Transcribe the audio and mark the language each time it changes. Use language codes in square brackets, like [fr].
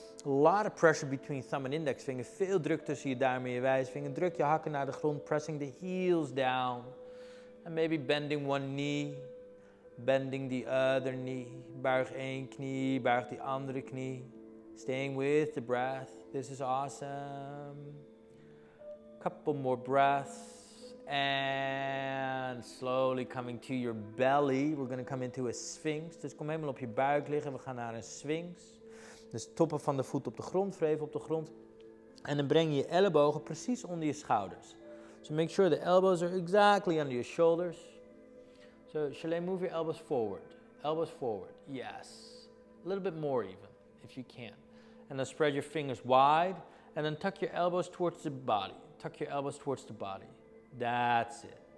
[en] A lot of pressure between thumb and index finger. [nl] Veel druk tussen je duim en je wijsvinger. Druk je hakken naar de grond, [en] pressing the heels down. And maybe bending one knee, bending the other knee. [nl] Buig één knie, buig die andere knie. [en] Staying with the breath. This is awesome. Couple more breaths And slowly coming to your belly. We're going to come into a sphinx. [nl] Dus kom helemaal op je buik liggen. We gaan naar een sphinx. Dus toppen van de voet op de grond. Wreven op de grond. En dan breng je je ellebogen precies onder je schouders. [en] So make sure the elbows are exactly under your shoulders. So Shalane, move your elbows forward. Elbows forward. Yes. A little bit more even, if you can. And then spread your fingers wide. And then tuck your elbows towards the body. Tuck your elbows towards the body. That's it.